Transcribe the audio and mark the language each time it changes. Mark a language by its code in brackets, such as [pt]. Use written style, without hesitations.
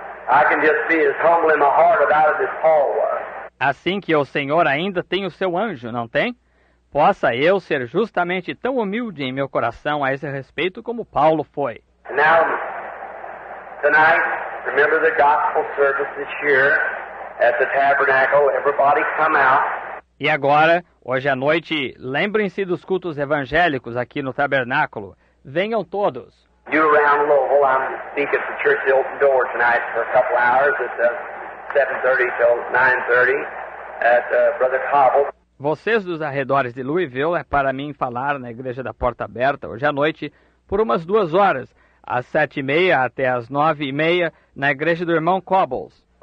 [en] I can just see his humble in my heart about it as Paul was. [pt] Assim que o Senhor ainda tem o seu anjo, não tem? Possa eu ser justamente tão humilde em meu coração a esse respeito como Paulo foi. [en] Now, tonight, remember the gospel service this year at the tabernacle. Everybody come out. [pt] E agora, hoje à noite, lembrem-se dos cultos evangélicos aqui no tabernáculo. Venham todos. [en] You around Louisville, I'm speaking at the church of the open door tonight for a couple hours at 7:30 till 9:30 at Brother Cobble. [pt] Vocês dos arredores de Louisville, é para mim falar na igreja da porta aberta hoje à noite por umas 2 horas. Às 7:30 até às 9:30, na igreja do irmão Cobbles.